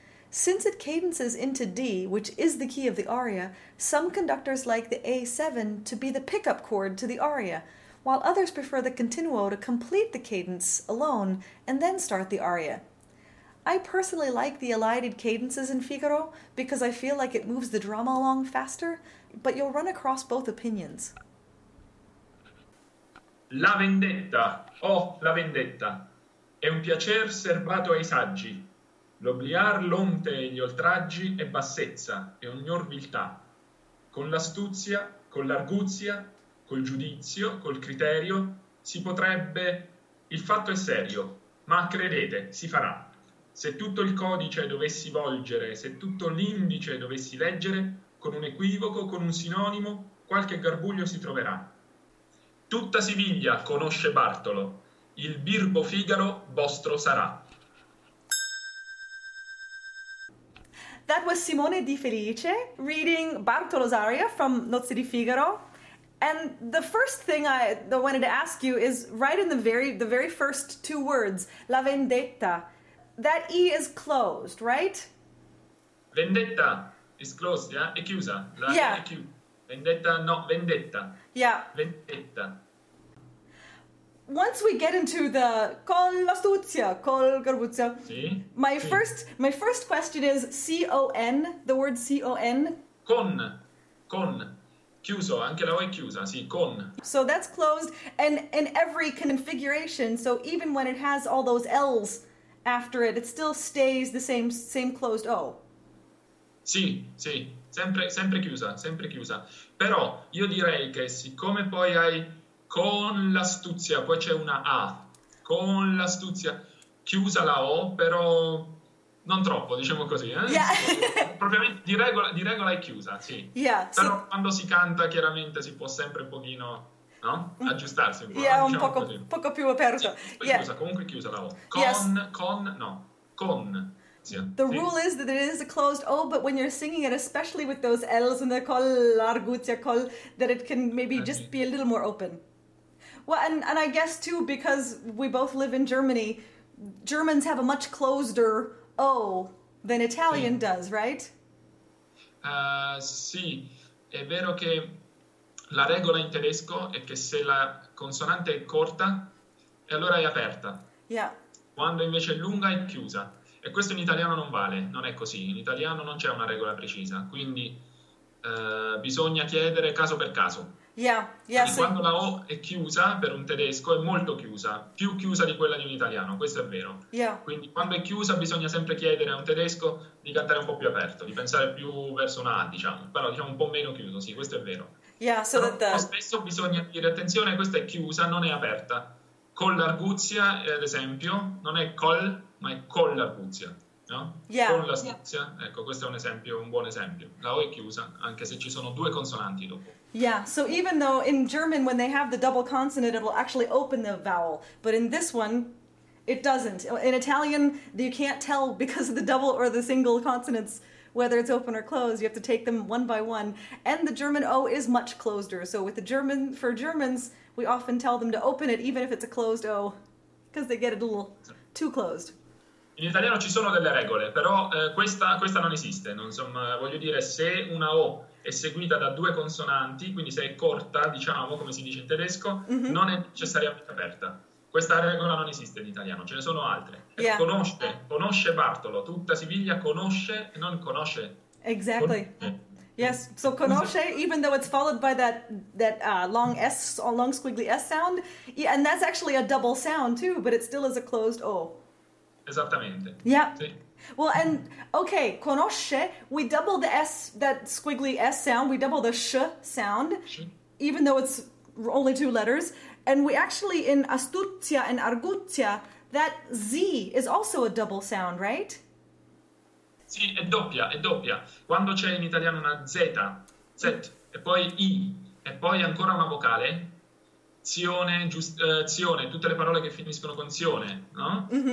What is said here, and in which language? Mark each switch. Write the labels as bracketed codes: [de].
[en] Since it cadences into D, which is the key of the aria, some conductors like the A7 to be the pickup chord to the aria, while others prefer the continuo to complete the cadence alone and then start the aria. I personally like the elided cadences in Figaro because I feel like it moves the drama along faster, but you'll run across both opinions. [it] La vendetta, oh la vendetta, è un piacer serbato ai saggi. L'obliar l'onte e gli oltraggi è bassezza e ognor viltà. Con l'astuzia, con l'arguzia, col giudizio, col criterio, si potrebbe... Il fatto è serio, ma credete, si farà. Se tutto il codice dovessi volgere, se tutto l'indice dovessi leggere, con un equivoco, con un sinonimo, qualche garbuglio si troverà. Tutta Siviglia conosce Bartolo. Il birbo Figaro vostro sarà. [en] That was Simone Di Felice reading Bartolo's aria from Nozze di Figaro. And the first thing I wanted to ask you is right in the very first two words, la vendetta. That E is closed, right? Vendetta is closed, yeah? [it] E chiusa. Vendetta, no, vendetta. [en] Yeah. [it] Vendetta. [en] Once we get into the col l'astuzia, col garbuzia, my first question is C-O-N, the word C-O-N. [it] Con. Chiuso, anche la O è chiusa, sì, con. [en] So that's closed and in every configuration, so even when it has all those L's after it, it still stays the same closed O. [it] Sì, sempre chiusa. Però io direi che siccome poi hai con l'astuzia, poi c'è una A, con l'astuzia, chiusa la O, però non troppo, diciamo così. [en] Yeah. [it] Propriamente di regola è chiusa, sì. [en] Yeah, [it] però so... quando si canta, chiaramente si può sempre un pochino, no? Aggiustarsi un po'. [en] Yeah, [it] diciamo un poco più aperto. Sì, [en] yeah. [it] Comunque chiusa la O. Con, [en] yes. [it] con. [en] The rule is that it is a closed O, but when you're singing it, especially with those L's and the col, l'arguzia, col, that it can maybe just be a little more open. Well, and I guess too, because we both live in Germany, Germans have a much closer O than Italian does, right? [it] Sì, è vero che la regola in tedesco è che se la consonante è corta, allora è aperta. [en] Yeah. [it] Quando invece è lunga, è chiusa. E questo in italiano non vale, non è così. In italiano non c'è una regola precisa, quindi bisogna chiedere caso per caso. [en] Yeah, so... [it] Quando la O è chiusa, per un tedesco, è molto chiusa, più chiusa di quella di un italiano, questo è vero. [en] Yeah. [it] Quindi quando è chiusa bisogna sempre chiedere a un tedesco di cantare un po' più aperto, di pensare più verso una A, diciamo. Però diciamo un po' meno chiuso, sì, questo è vero. [en] Yeah, so that the... [it] Però spesso bisogna dire, attenzione, questa è chiusa, non è aperta. Con l'arguzia, ad esempio, non è col... ma è con l'arguzia, no? [en] Yeah, [it] con l'astuzia, [en] yeah. [it] Ecco, questo è un esempio, un buon esempio. La O è chiusa, anche se ci sono due consonanti dopo. [en] Yeah, so even though in German when they have the double consonant, it will actually open the vowel, but in this one, it doesn't. In Italian, you can't tell because of the double or the single consonants whether it's open or closed. You have to take them one by one. And the German O is much closer. So with the German, for Germans, we often tell them to open it even if it's a closed O, because they get it a little too closed. [it] In italiano ci sono delle regole, però questa non esiste. Insomma, voglio dire, se una O è seguita da due consonanti, quindi se è corta, diciamo, come si dice in tedesco, non è necessariamente aperta. Questa regola non esiste in italiano, ce ne sono altre. [en] Yeah. [it] Conosce Bartolo, tutta Siviglia conosce e non conosce. [en] Exactly. Conosce. Yes, so conosce, even though it's followed by that long squiggly S sound, yeah, and that's actually a double sound too, but it still is a closed O. [it] Esattamente. [en] Yeah. [it] Sì. [en] Well, and okay, conosce, we double the S, that squiggly S sound, we double the sh sound, even though it's only two letters. And we actually, in astuzia and arguzia, that Z is also a double sound, right? [it] Sì, è doppia. Quando c'è in italiano una Z, e poi I, e poi ancora una vocale, zione, tutte le parole che finiscono con zione, no?